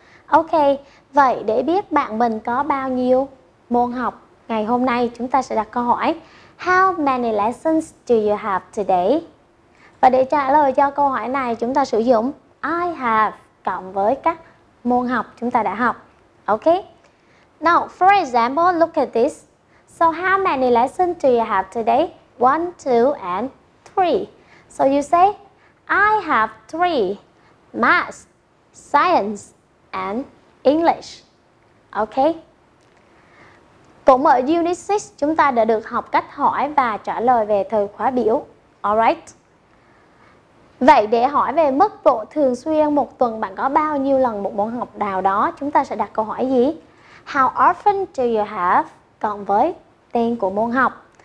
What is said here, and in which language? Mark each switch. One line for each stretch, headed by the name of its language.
Vietnamese: Ok, vậy để biết bạn mình có bao nhiêu môn học ngày hôm nay, chúng ta sẽ đặt câu hỏi:
English: How many lessons do you have today?
Vietnamese: Và để trả lời cho câu hỏi này, chúng ta sử dụng
English: I have
Vietnamese: cộng với các môn học chúng ta đã học.
English: Ok, now for example, look at this. So how many lessons do you have today? 1, 2 and 3. So you say I have 3 Math, Science and English. Ok.
Vietnamese: Cũng ở Unit 6 chúng ta đã được học cách hỏi và trả lời về thời khóa biểu. Alright. Vậy để hỏi về mức độ thường xuyên một tuần bạn có bao nhiêu lần một môn học nào đó, chúng ta sẽ đặt câu hỏi gì?
English: How often do you have
Vietnamese: cộng với tên của môn học.